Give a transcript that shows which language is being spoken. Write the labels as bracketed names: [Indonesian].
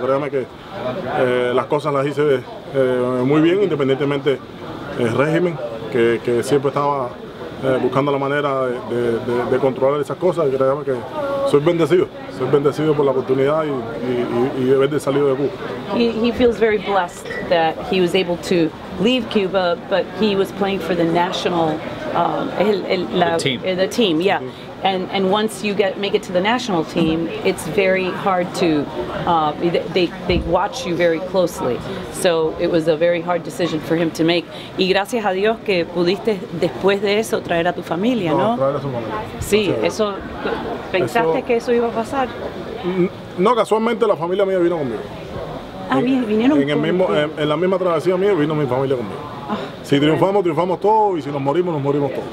[Spanish] Créame que las cosas las hice muy bien, independientemente del régimen, que siempre estaba buscando la manera de controlar esas cosas. Créame que soy bendecido por la oportunidad y de haber salido de Cuba. [English] He feels very blessed that he was able to leave Cuba, but he was playing for the national the team, yeah. And once you make it to the national team, it's very hard to they watch you very closely. So it was a very hard decision for him to make. [Spanish] Y gracias a Dios que pudiste después de eso traer a tu familia, ¿no? Traer a su familia. Sí, eso pensaste que eso iba a pasar. No, casualmente la familia mía vino conmigo. En la misma travesía mía vino mi familia conmigo. Oh, si triunfamos, bueno. Triunfamos todos, y si nos morimos todos.